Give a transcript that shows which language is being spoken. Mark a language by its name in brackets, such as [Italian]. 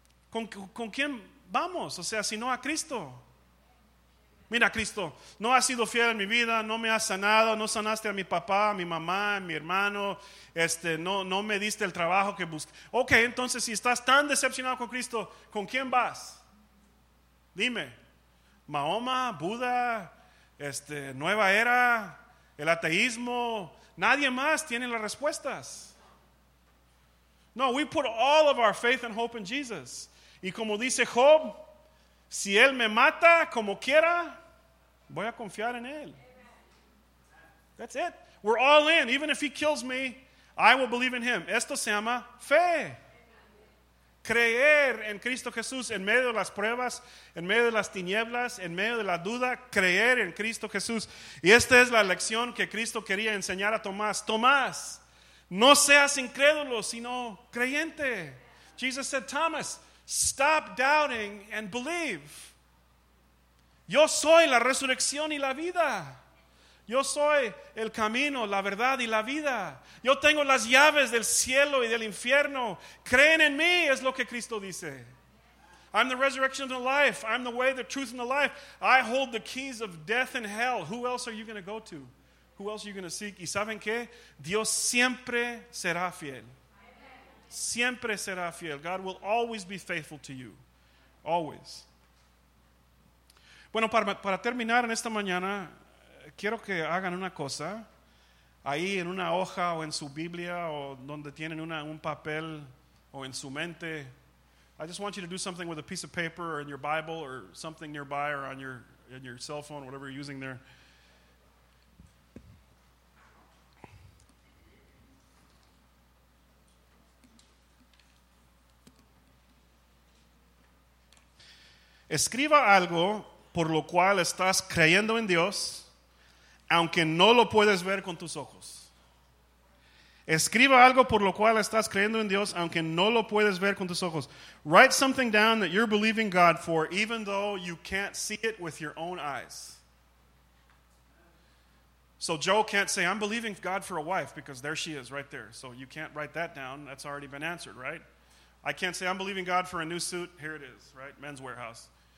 [Spanish] ¿Con quién vamos? O sea, si no a Cristo. Mira, Cristo, no has sido fiel en mi vida, no me has sanado, no sanaste a mi papá, a mi mamá, a mi hermano, no me diste el trabajo que busqué. Ok, entonces si estás tan decepcionado con Cristo, ¿con quién vas? Dime, Mahoma, Buda, Nueva Era, el ateísmo, nadie más tiene las respuestas. [English] No, we put all of our faith and hope in Jesus. [Spanish] Y como dice Job, si él me mata como quiera, voy a confiar en él. [English] That's it. We're all in. Even if he kills me, I will believe in him. [Spanish] Esto se llama fe. Creer en Cristo Jesús en medio de las pruebas, en medio de las tinieblas, en medio de la duda, creer en Cristo Jesús. Y esta es la lección que Cristo quería enseñar a Tomás. Tomás, no seas incrédulo, sino creyente. [English] Jesus said, Thomas, stop doubting and believe. [Spanish] Yo soy la resurrección y la vida. Yo soy el camino, la verdad y la vida. Yo tengo las llaves del cielo y del infierno. Creen en mí, es lo que Cristo dice. [English] I'm the resurrection and the life. I'm the way, the truth and the life. I hold the keys of death and hell. Who else are you going to go to? Who else are you going to seek? [Spanish] ¿Y saben qué? Dios siempre será fiel. Siempre será fiel. [English] God will always be faithful to you. Always. [Spanish] Bueno, para terminar en esta mañana, quiero que hagan una cosa. Ahí en una hoja o en su Biblia o donde tienen un papel o en su mente. [English] I just want you to do something with a piece of paper or in your Bible or something nearby or on your cell phone, whatever you're using there. [Spanish] Escriba algo por lo cual estás creyendo en Dios, aunque no lo puedes ver con tus ojos. Escriba algo por lo cual estás creyendo en Dios, aunque no lo puedes ver con tus ojos. [English] Write something down that you're believing God for, even though you can't see it with your own eyes. So Joe can't say, I'm believing God for a wife, because there she is right there. So you can't write that down. That's already been answered, right? I can't say, I'm believing God for a new suit. Here it is, right? Men's Warehouse.